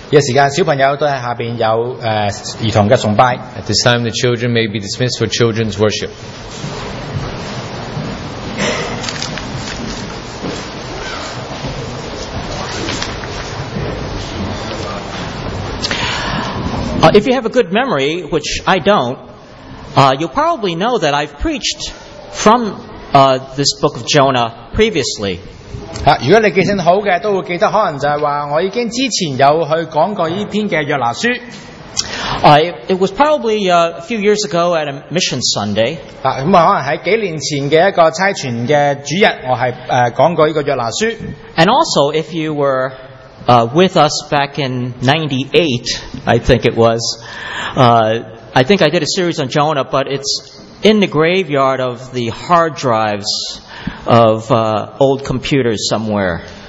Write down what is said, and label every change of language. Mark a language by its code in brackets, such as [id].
[zh] 有时间小朋友都在下面有儿童的崇拜。 [en] At this time, the children may be dismissed for children's worship. 、if you have a good memory, which I don't, you probably know that I've preached from this book of Jonah previously. [zh] 如果你記性好的都會記得可能就是說我已經之前有去講過這篇的約拿書。 [en] It was probably a few years ago at a mission Sunday. [zh] 可能是幾年前的一個差傳的主日我是講過這個約拿書。 [en] And also if you were with us back in 98, I think it was, I think I did a series on Jonah, but it's in the graveyard of the hard drives of old computers somewhere.